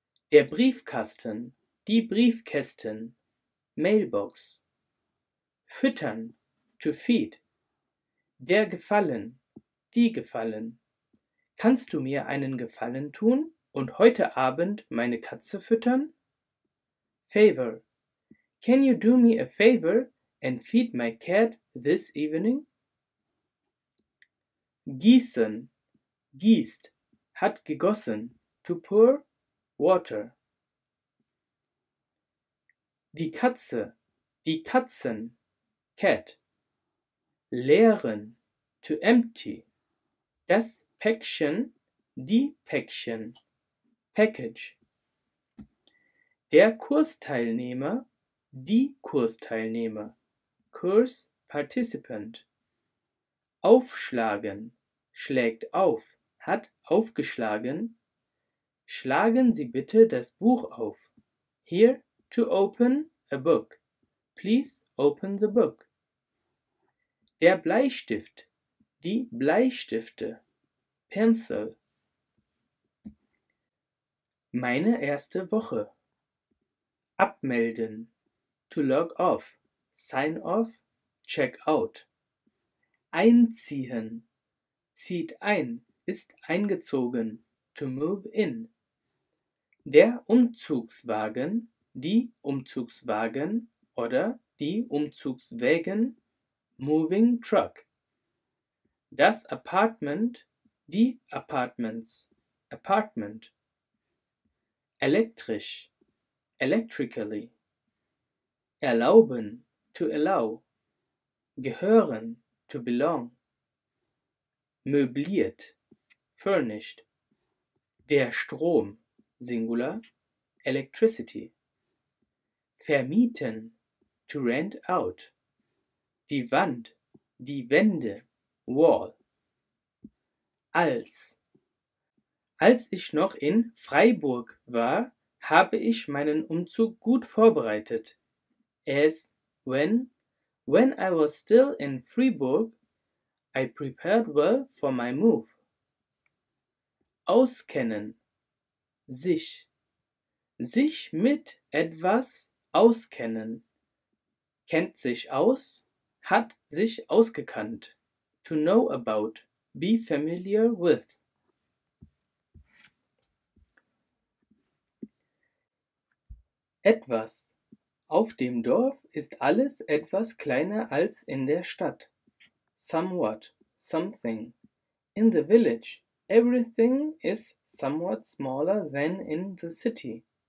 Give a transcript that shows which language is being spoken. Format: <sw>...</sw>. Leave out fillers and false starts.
<de>Der Briefkasten, die Briefkästen, mailbox. Füttern,</de> <en>to feed.</en> <de>Der Gefallen, die Gefallen. Kannst du mir einen Gefallen tun und heute Abend meine Katze füttern?</de> <en>Favor. Can you do me a favor and feed my cat this evening?</en> <de>Gießen, gießt, hat gegossen,</de> <en>to pour water.</en> <de>Die Katze, die Katzen, cat. Leeren,</de> <en>to empty.</en> <de>Das Päckchen, die Päckchen, package. Der Kursteilnehmer, die Kursteilnehmer,</de> <en>course participant.</en> <de>Aufschlagen, schlägt auf, hat aufgeschlagen. Schlagen Sie bitte das Buch auf.</de> <en>Here to open a book. Please open the book.</en> <de>Der Bleistift, die Bleistifte,</de> <en>pencil.</en> <de>Meine erste Woche.</de> <en>Abmelden, to log off, sign off, check out.</en> <de>Einziehen, zieht ein, ist eingezogen,</de> <en>to move in.</en> <de>Der Umzugswagen, die Umzugswagen oder die Umzugswägen,</de> <en>moving truck.</en> <de>Das Apartment, die Apartments, apartment.</de> <en>Elektrisch, electrically. Erlauben, to allow. Gehören, to belong. Möbliert, furnished.</en> <de>Der Strom, singular, electricity. Vermieten,</de> <en>to rent out.</en> <de>Die Wand, die Wände, wall. Als ich noch in Freiburg war, habe ich meinen Umzug gut vorbereitet.</de> <en>As when I was still in Freiburg, I prepared well for my move.</en> <de>Auskennen, sich mit etwas auskennen, kennt sich aus, hat sich ausgekannt,</de> <en>to know about, be familiar with.</en> <de>Etwas. Auf dem Dorf ist alles etwas kleiner als in der Stadt.</de> <en>Somewhat, something. In the village, everything is somewhat smaller than in the city.</en>